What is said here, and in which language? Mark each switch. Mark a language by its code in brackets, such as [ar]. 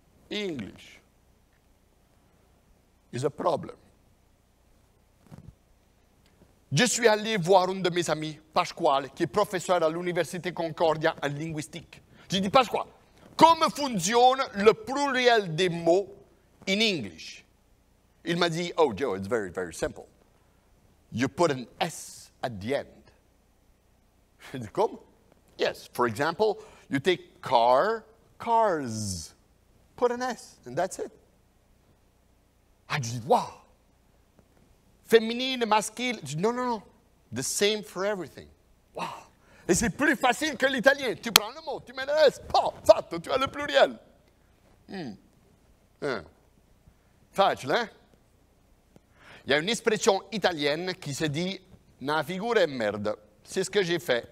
[en] English is a problem. [fr] Je suis allé voir un de mes amis, Pasquale, qui est professeur à l'Université Concordia en linguistique. J'ai dit, Pasquale, comment fonctionne le pluriel des mots [en] in English? [fr] Il m'a dit, [en] oh Joe, it's very, very simple. You put an S at the end. [fr] J'ai dit, comme? [en] Yes, for example, you take car, cars. Put an S, and that's it. I just, wow. Féminine, masculine. Dis, no, no, no. The same for everything. Wow. [fr] Et c'est plus facile que l'italien. Tu prends le mot, tu mets le S. Pas, fatto, tu as le pluriel. Facile, hein? Il y a une expression italienne qui se dit, [it] na figura è merda. [fr] C'est ce que j'ai fait.